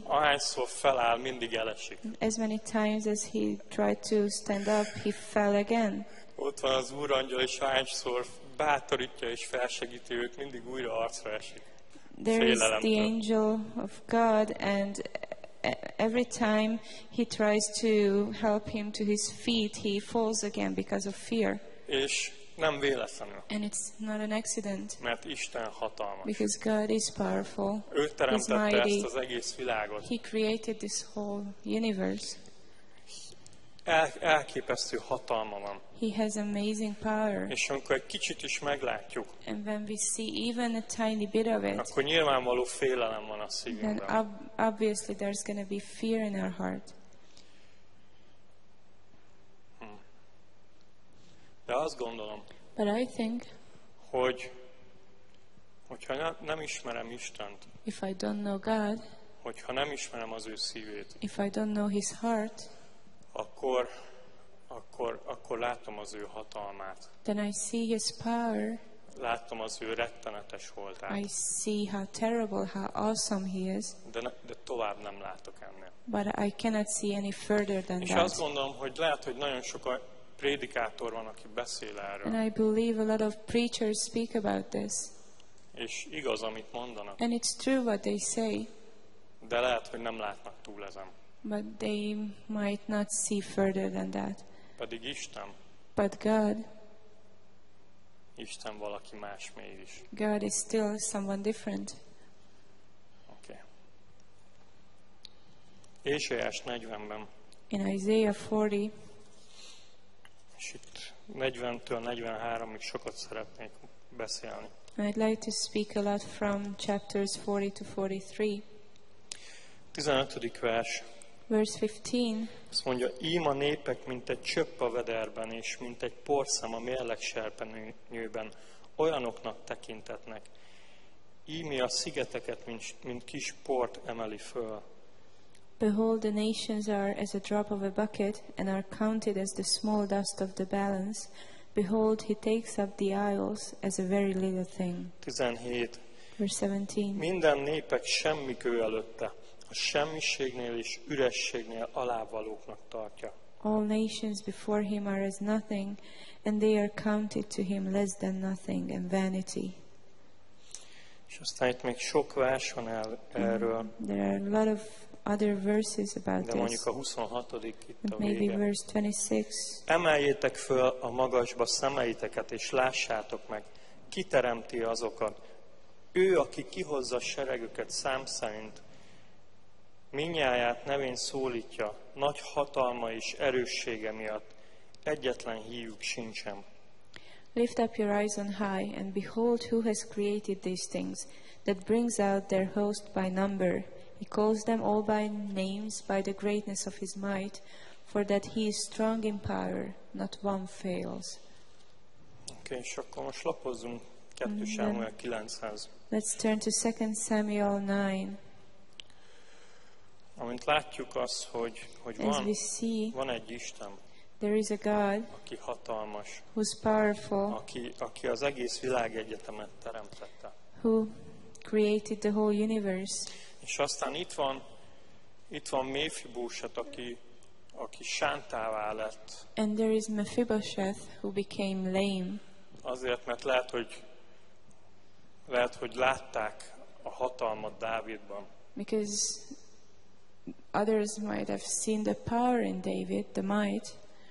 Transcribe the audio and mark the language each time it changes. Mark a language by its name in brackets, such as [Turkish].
[Hungarian] Ahányszor feláll, mindig elesik. [English] As many times as he tried to stand up, he fell again. [Hungarian] Ott van az Úr angyal, és ahányszor bátorítja és felsegíti őt, mindig újra arcra esik. [English] There is the angel of God, and every time he tries to help him to his feet, he falls again because of fear. [Hungarian] És nem véletlenül. [English] And it's not an accident. [Hungarian] Mert Isten hatalmas. [English] Because God is powerful. [Hungarian] Ő teremtette ezt az egész világot. [English] He created this whole universe. [Hungarian] Elképesztő hatalma van. [English] He has amazing power. [Hungarian] És amikor egy kicsit is meglátjuk. [English] And when we see even a tiny bit of it. [Hungarian] Akkor nyilvánvaló félelem van a szívünkben. [English] Then obviously there's going to be fear in our heart. [Hungarian] De azt gondolom, [English] but I think, [Hungarian] hogyha nem ismerem Istent, [English] if I don't know God, [Hungarian] hogyha nem ismerem az ő szívét, [English] if I don't know his heart, [Hungarian] akkor látom az ő hatalmát. [English] Then I see his power. [Hungarian] Látom az ő rettenetes voltát. [English] I see how terrible, how awesome he is. [Hungarian] De tovább nem látok ennél. [English] But I cannot see any further than [Hungarian] és [English] that. [Hungarian] És azt gondolom, hogy lehet, hogy nagyon sok prédikátor van, aki beszél erről. [English] And I believe a lot of preachers speak about this. [Hungarian] És igaz, amit mondanak. [English] And it's true what they say. [Hungarian] De lehet, hogy nem látnak túl ezen. [English] But they might not see further than that. [Hungarian] Pedig Isten. [English] But God. [Hungarian] Isten valaki más még is. [English] God is still someone different. Okay. [Hungarian] Ézsaiás 40-ben. [English] In Isaiah 40. [Hungarian] És itt 40-től 43-ig sokat szeretnék beszélni. [English] I'd like to speak a lot from chapters 40 to 43. [Hungarian] 15. vers. [English] Verse 15. [Hungarian] Azt mondja, íme a népek, mint egy csöpp a vederben, és mint egy porszem a mérleg serpenőben, olyanoknak tekintetnek. Íme a szigeteket, mint kis port emeli föl. [English] Behold, the nations are as a drop of a bucket, and are counted as the small dust of the balance. Behold, he takes up the isles as a very little thing. [Hungarian] 17. [English] Verse 17. [Hungarian] Minden népek semmik ő előtte, a semmiségnél és ürességnél alávalóknak tartja. [English] All nations before him are as nothing, and they are counted to him less than nothing and vanity. [Hungarian] És aztán itt még sok vers van erről. [English] There are a lot of other verses about this. [Hungarian] De mondjuk a 26. itt a [English] maybe verse 26. [Hungarian] Emeljétek föl a magasba szemeiteket, és lássátok meg, ki teremti azokat. Ő, aki kihozza seregüket szám szerint, mindnyájat nevén szólítja, nagy hatalma és erőssége miatt egyetlen hívjuk sincsen. [English] Lift up your eyes on high, and behold who has created these things, that brings out their host by number. He calls them all by names, by the greatness of his might, for that he is strong in power, not one fails. Okay, [Hungarian] és akkor most lapozzunk 2 Sámuel 9-hez. [English] Let's turn to 2 Samuel 9. [Hungarian] Amint látjuk azt, hogy van egy Isten. [English] There is a God, [Hungarian] aki hatalmas, [English] who's powerful, [Hungarian] aki az egész világegyetemet teremtette, [English] who created the whole universe. [Hungarian] És aztán itt van Méfibósat, aki sántává lett. [English] And there is Mephibosheth, who became lame. [Hungarian] Azért, mert lehet, hogy látták a hatalmat Dávidban. [English] Because others might have seen the power in David, the might.